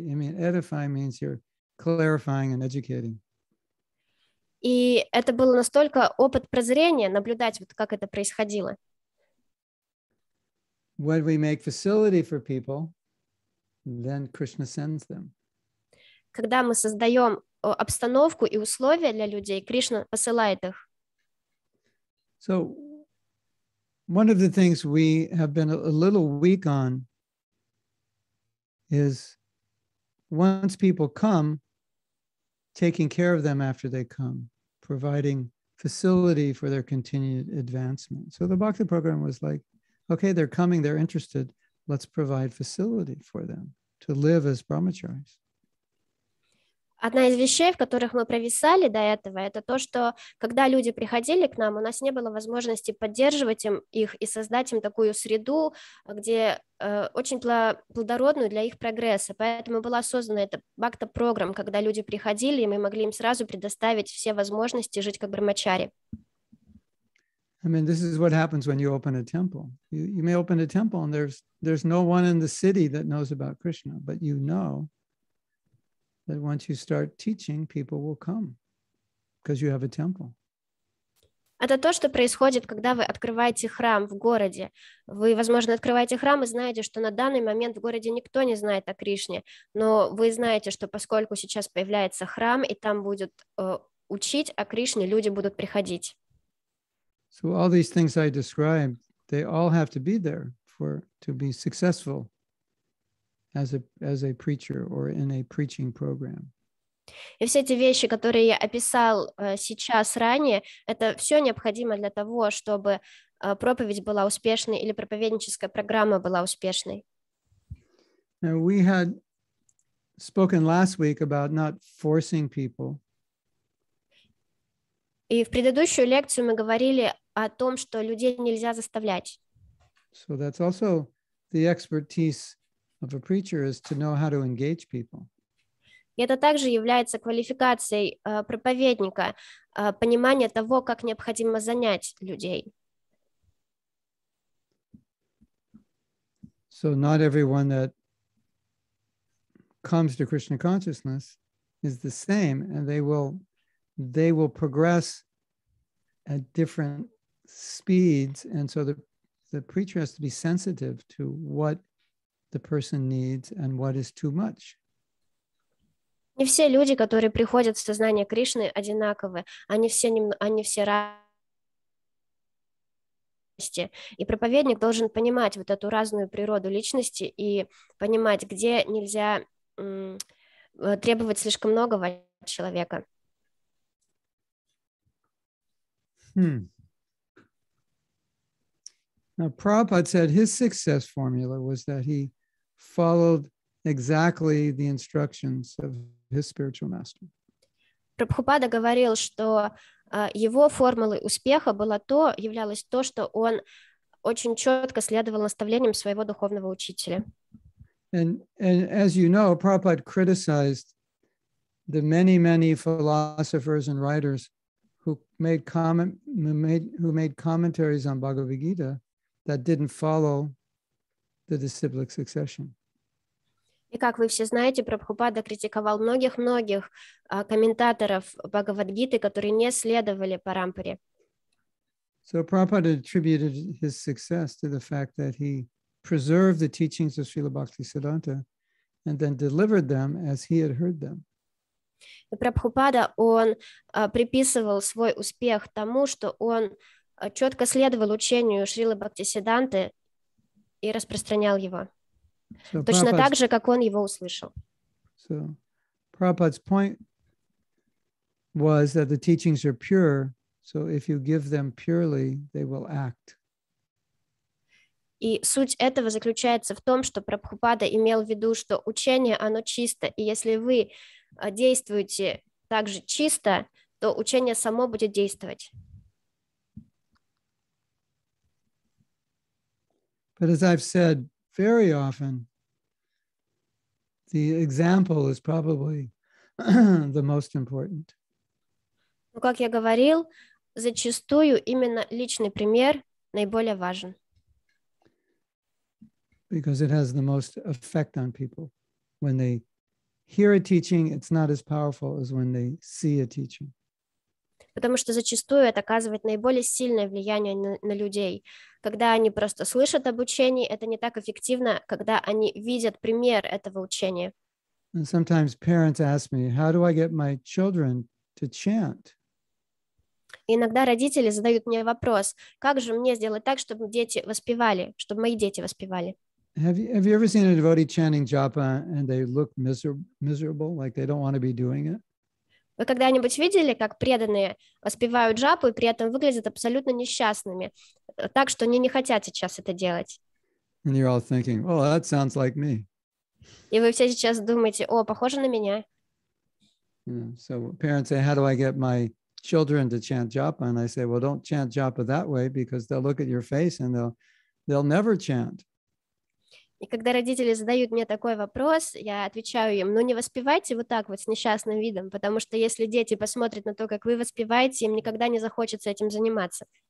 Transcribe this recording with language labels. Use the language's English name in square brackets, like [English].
[English] I mean, edifying means you're clarifying and educating. [Russian] И это был настолько опыт прозрения, наблюдать, вот как это происходило. [English] When we make facility for people, then Krishna sends them. [Russian] Когда мы создаем обстановку и условия для людей, Кришна посылает их. [English] So, one of the things we have been a little weak on is once people come, taking care of them after they come, providing facility for their continued advancement. So the Bhakti program was like, okay, they're coming, they're interested, let's provide facility for them to live as brahmacharis. [Russian] Одна из вещей, в которых мы провисали до этого, это то, что когда люди приходили к нам, у нас не было возможности поддерживать их и создать им такую среду, где очень плодородную для их прогресса. Поэтому была создана эта бхакта-программа, когда люди приходили, и мы могли им сразу предоставить все возможности жить как брахмачари. [English] I mean, this is what happens when you open a temple. You may open a temple, and there's no one in the city that knows about Krishna, but you know that once you start teaching, people will come because you have a temple. [Russian] Это то, что происходит, когда вы открываете храм в городе. Вы, возможно, открываете храм и знаете, что на данный момент в городе никто не знает о Кришне, но вы знаете, что поскольку сейчас появляется храм, и там будут учить о Кришне, люди будут приходить. [English] So all these things I described, they all have to be there for to be successful as a preacher or in a preaching program. [Russian] И все эти вещи, которые я описал сейчас ранее, это все необходимо для того, чтобы проповедь была успешной или проповедническая программа была успешной. [English] Now, we had spoken last week about not forcing people. [Russian] И в предыдущую лекцию мы говорили о том, что людей нельзя заставлять. [English] So that's also the expertise of a preacher is to know how to engage people. [Russian] И это также является квалификацией проповедника, понимание того, как необходимо занять людей. [English] So not everyone that comes to Krishna consciousness is the same, and they will progress at different speeds, and so the preacher has to be sensitive to what the person needs and what is too much. [Russian] Не все люди, которые приходят в сознание Кришны, одинаковы. Они все разные. И проповедник должен понимать вот эту разную природу личности и понимать, где нельзя требовать слишком многого от человека. [English] Now, Prabhupada said his success formula was that he followed exactly the instructions of his spiritual master. [Russian] Прабхупада говорил, что его формулой успеха было то, являлось то, что он очень четко следовал наставлениям своего духовного учителя. [English] And as you know, Prabhupada criticized the many, many philosophers and writers who made commentaries on Bhagavad Gita that didn't follow the disciplic succession. [Russian] И как вы все знаете, Прабхупада критиковал многих-многих комментаторов Бхагавад-гиты, которые не следовали парампаре. [English] So Prabhupada attributed his success to the fact that he preserved the teachings of Srila Bhaktisiddhanta and then delivered them as he had heard them. [Russian] И Прабхупада, он приписывал свой успех тому, что он четко следовал учению Шрилы Бхактисиддханты и распространял его. So точно так же, как он его услышал. [English] So, Prabhupada's point was that the teachings are pure, so if you give them purely, they will act. [Russian] И суть этого заключается в том, что Прабхупада имел в виду, что учение, оно чисто, и если вы действуете так же чисто, то учение само будет действовать. [English] But as I've said, very often, the example is probably the most important. [Russian] Ну, как я говорил, зачастую именно личный пример наиболее важен. [English] Because it has the most effect on people. When they hear a teaching, it's not as powerful as when they see a teaching. [Russian] Потому что зачастую это оказывает наиболее сильное влияние на людей. Когда они просто слышат об учении, это не так эффективно, когда они видят пример этого учения. [English] And sometimes parents ask me, how do I get my children to chant? [Russian] Иногда родители задают мне вопрос, как же мне сделать так, чтобы дети воспевали, чтобы мои дети воспевали? [English] Have you ever seen a devotee chanting japa and they look miserable, like they don't want to be doing it? [Russian] Вы когда-нибудь видели, как преданные воспевают джапу и при этом выглядят абсолютно несчастными, так что они не хотят сейчас это делать? [English] And you're all thinking, well, that sounds like me. [Russian] И вы все сейчас думаете, о, похоже на меня. [English] So parents say, how do I get my children to chant japa? And I say, well, don't chant japa that way, because they'll look at your face and they'll never chant. [Russian] И когда родители задают мне такой вопрос, я отвечаю им, ну не воспевайте вот так вот с несчастным видом, потому что если дети посмотрят на то, как вы воспеваете, им никогда не захочется этим заниматься.